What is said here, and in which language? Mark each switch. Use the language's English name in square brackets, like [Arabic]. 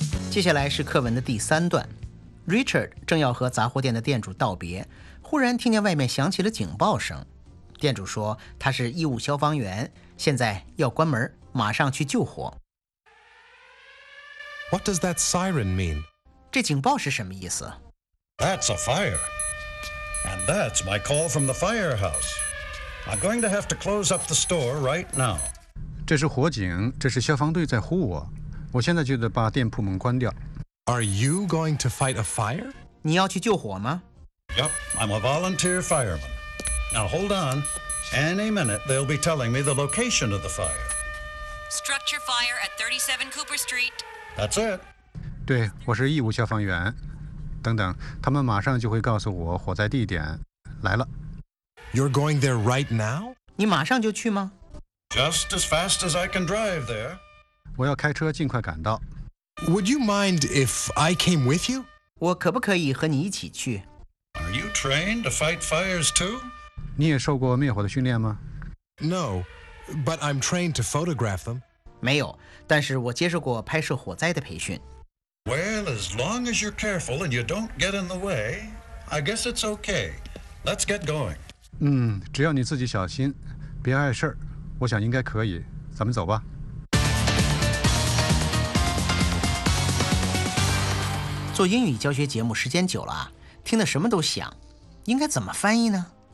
[Chinese] 接下来是课文的第三段， Richard 正要和杂货店的店主道别，忽然听见外面响起了警报声，店主说他是义务消防员，现在要关门，马上去救火。 [English] What does that siren mean? [Chinese] 这警报是什么意思？ [English] That's a fire. And that's my call from the firehouse. I'm going to have to close up the store right now. [Chinese] 这是火警，这是消防队在呼我，我现在就得把店铺门关掉。 [English] Are you going to fight a fire? [Chinese] 你要去救火吗？ [English] Yep, I'm a volunteer fireman. Now hold on. Any minute, they'll be telling me the location of the fire. Structure fire at 37 Cooper Street. That's it. [Chinese] 对，我是义务消防员。等等，他们马上就会告诉我火灾地点。来了。 [English] You're going there right now? [Chinese] 你马上就去吗？ [English] Just as fast as I can drive there. [Chinese] 我要开车尽快赶到。 [English] Would you mind if I came with you? [Chinese] 我可不可以和你一起去？ [English] Are you trained to fight fires too? [Chinese] 你也受过灭火的训练吗？ [English] No, but I'm trained to photograph them. [Chinese] 没有，但是我接受过拍摄火灾的培训。 [English] Well, as long as you're careful and you don't get in the way, I guess it's okay. Let's get going. [Chinese] 只要你自己小心，别碍事儿，我想应该可以，咱们走吧。做英语教学节目时间久了，听得什么都响，应该怎么翻译呢？